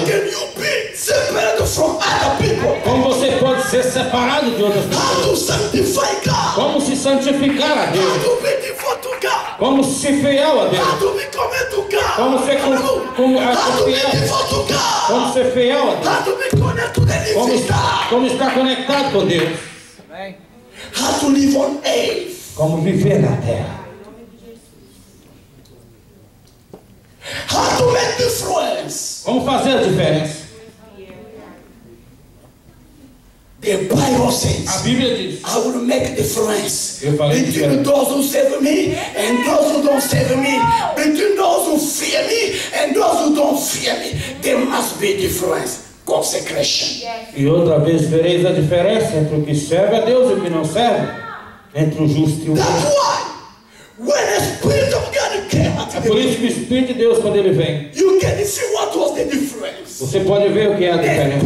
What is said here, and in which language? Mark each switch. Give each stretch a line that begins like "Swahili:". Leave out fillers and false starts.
English: How can you be separated from other people?
Portuguese: Como você pode ser separado de outras pessoas?
English: How to sanctify God?
Portuguese: Como se santificar a Deus?
English: How to be devoted to God?
Portuguese: Como se ser fiel a Deus?
English: How to be committed to God?
Portuguese: Como ser fiel? Como ser fiel a Deus?
English: How to be connected to the living God?
Portuguese: Como estar conectado com Deus?
English: How to live on earth?
Portuguese: Como viver na terra.
English: How to make difference.
Portuguese: Como fazer a diferença.
English: The Bible says,
Portuguese: a Bíblia diz,
English: I will make difference.
Portuguese: Eu falei
English: between
Portuguese: que
English: those who serve me and those who don't serve me. Between those who fear me and those who don't fear me. There must be difference. Consecration.
Portuguese: E outra vez vereis a diferença entre o que serve a Deus e o que não serve. Entre o justo e o justo.
English: When the Spirit of God came,
Portuguese: por isso que o Espírito de Deus quando ele vem.
English: You can see what was the difference.
Portuguese: Você pode ver o que é a diferença.